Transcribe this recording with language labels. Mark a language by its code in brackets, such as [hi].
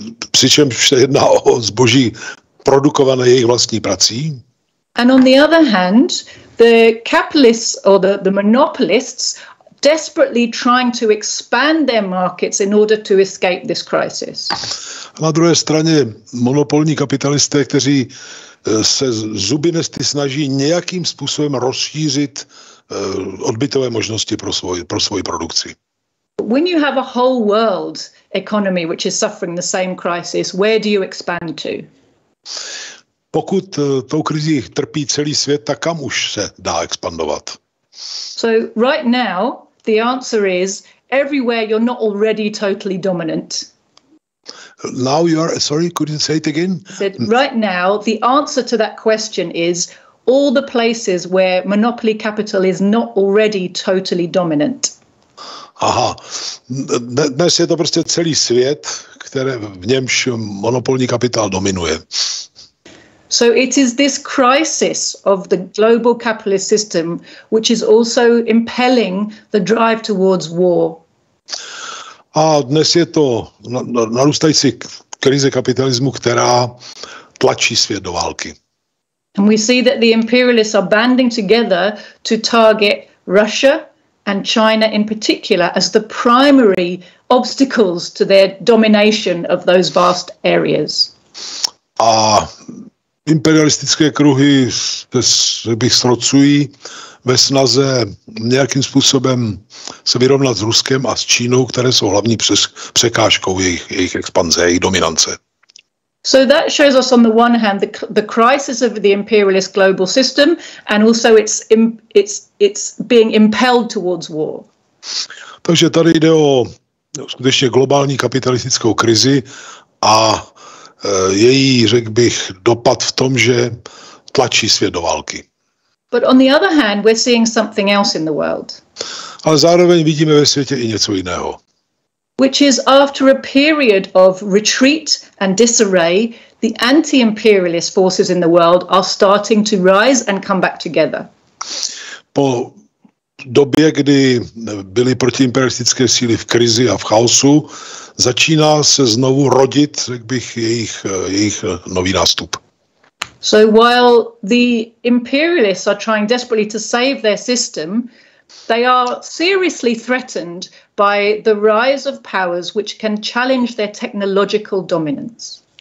[cs] Přičemž se jedná o zboží produkované jejich vlastní prací. [en] And on the other hand, the capitalists or the monopolists desperately trying to expand their markets in order to escape this crisis. [cs] Na druhé straně monopolní kapitalisté, kteří se zuby nesty snaží nějakým způsobem rozšířit odbytové možnosti pro svoji produkci. [en] When you have a whole world economy which is suffering the same crisis, where do you expand to? [cs] Pokud tou krizi trpí celý svět, tak kam už se dá expandovat? [en] So right now the answer is everywhere you're not already totally dominant. Now you are, sorry, could you say it again? But right now, the answer to that question is all the places where monopoly capital is not already totally dominant. [cs] Aha, dnes je to prostě celý svět, které v němž monopolní kapitál dominuje. [en] So it is this crisis of the global capitalist system which is also impelling the drive towards war. [cs] A dnes je to narůstající krize kapitalismu, která tlačí svět do války. [en] And we see that the imperialists are banding together to target Russia and China in particular as the primary obstacles to their domination of those vast areas. [cs] A imperialistické kruhy srocují ve snaze nějakým způsobem se vyrovnat s Ruskem a s Čínou, které jsou hlavní překážkou jejich expanze, jejich dominance. [en] So that shows us on the one hand the crisis of the imperialist global system and also it's being impelled towards war. [cs] Takže tady jde o skutečně globální kapitalistickou krizi a její, řekl bych, dopad v tom, že tlačí svět do války. [en] But on the other hand, we're seeing something else in the world. [cs] Ale zároveň vidíme ve světě i něco jiného. [en] Which is after a period of retreat and disarray, the anti-imperialist forces in the world are starting to rise and come back together. [cs] Po době, kdy byly protiimperialistické síly v krizi a v chaosu, začíná se znovu rodit, řekl bych, jejich nový nástup. [en] So while the imperialists are trying desperately to save their system, they are seriously threatened by the rise of powers which can challenge their technological dominance.